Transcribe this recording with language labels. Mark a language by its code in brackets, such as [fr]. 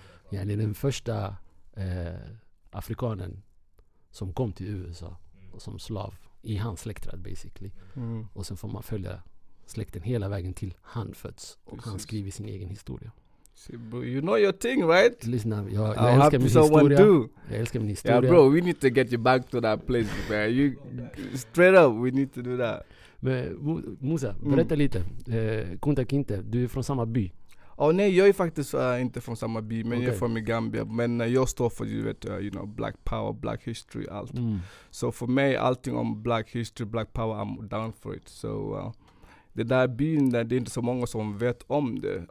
[sv] Den första afrikanen som kom till USA som slav i hans släktträd basically. Mm. Och sen får man följa släkten hela vägen till han föds och han skriver sin egen historia. [en] You know your thing, right? [sv] Listen, jag älskar min historia. Do. Jag älskar min historia. [en] Yeah, bro, we need to get you back to that place, man. You straight up, we need to do that. [sv] Men Musa, berätta lite. Kunta Kinte, du är från samma by. Oh, nej, jag är faktiskt inte från samma by, men jag är från Gambia. Men jag står för, you know, black power, black history, allt. Mm. [en] So for me, [sv] allting om [en] black history, black power, I'm down for it. [sv] So det där byn, det är inte så många som vet om det.